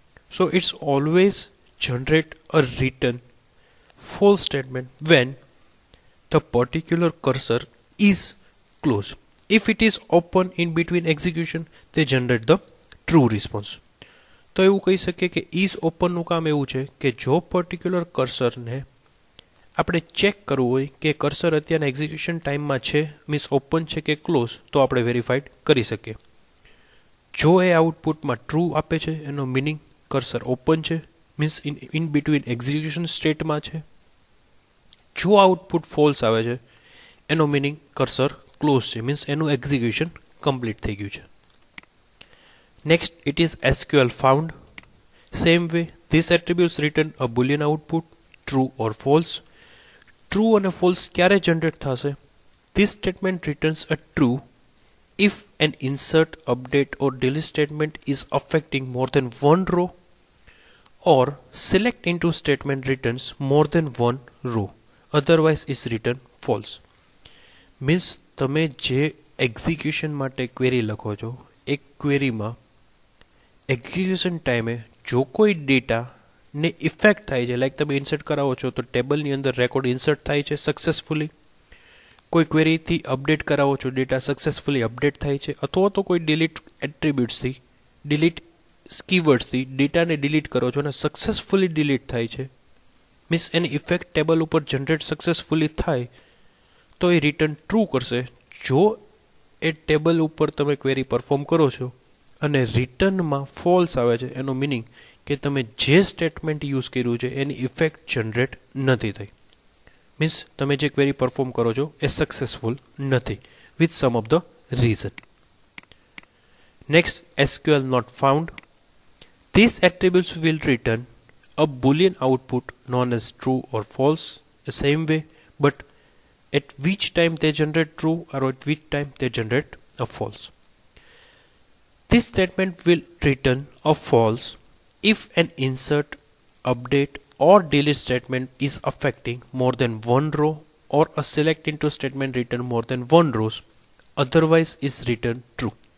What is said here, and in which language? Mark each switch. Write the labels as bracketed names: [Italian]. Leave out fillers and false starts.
[English] So it's always generate a return false statement when the particular cursor is closed. If it is open in between execution, they generate the true response. [Gujarati] તો એવું કહી શકીએ કે is ઓપનનું કામ એવું છે કે જો પર્ટિક્યુલર કર્સરને આપણે ચેક કરવું હોય કે કર્સર અત્યારે એક્ઝિક્યુશન ટાઈમમાં છે મીન્સ ઓપન છે કે ક્લોઝ તો આપણે વેરીફાઈડ કરી શકીએ જો એ આઉટપુટમાં ટ્રુ આપે છે એનો મિનિંગ કર્સર ઓપન છે મીન્સ ઇન બિટવીન એક્ઝિક્યુશન સ્ટેટમાં છે જો આઉટપુટ ફોલ્સ આવે છે એનો મિનિંગ કર્સર ક્લોઝ છે મીન્સ એનું એક્ઝિક્યુશન કમ્પ્લીટ થઈ ગયું છે [English] Next, it is SQL found. Same way, these attributes return a boolean output, true or false. [Gujarati] True and false, kyare generate thase? [English] This statement returns a true if an insert, update or delete statement is affecting more than one row or select into statement returns more than one row. Otherwise, it's return false. [Gujarati] Means, tame je execution mate query lakho jo, ek query ma execution ટાઈમે જો કોઈ ડેટાને effect થાય છે like તમે insert કરાવો છો તો ટેબલની અંદર રેકોર્ડ ઇન્સર્ટ થાય છે સક્સેસફુલી કોઈ ક્વેરીથી અપડેટ કરાવો છો ડેટા સક્સેસફુલી અપડેટ થાય છે અથવા તો કોઈ ડિલીટ એટ્રીબ્યુટ્સથી ડિલીટ કીવર્ડ્સથી ડેટાને ડિલીટ કરો છો અને સક્સેસફુલી ડિલીટ થાય છે મીન્સ એની ઇફેક્ટ ટેબલ ઉપર જનરેટ સક્સેસફુલી થાય તો એ રિટર્ન ટ્રુ કરશે જો એ ટેબલ ઉપર તમે ક્વેરી પરફોર્મ કરો છો અને રિટર્નમાં ફોલ્સ આવે છે એનો મિનિંગ કે તમે જે સ્ટેટમેન્ટ યુઝ કર્યું છે એની ઇફેક્ટ જનરેટ નથી થઈ મીન્સ તમે જે ક્વેરી પરફોર્મ કરો છો એ સક્સેસફુલ નથી [English] With some of the reason next SQL not found this attributes will return a boolean output known as true or false same way but at which time they generate true or at which time they generate a false. This statement will return a false if an insert, update or delete statement is affecting more than one row or a select into statement return more than one row, otherwise is returned true.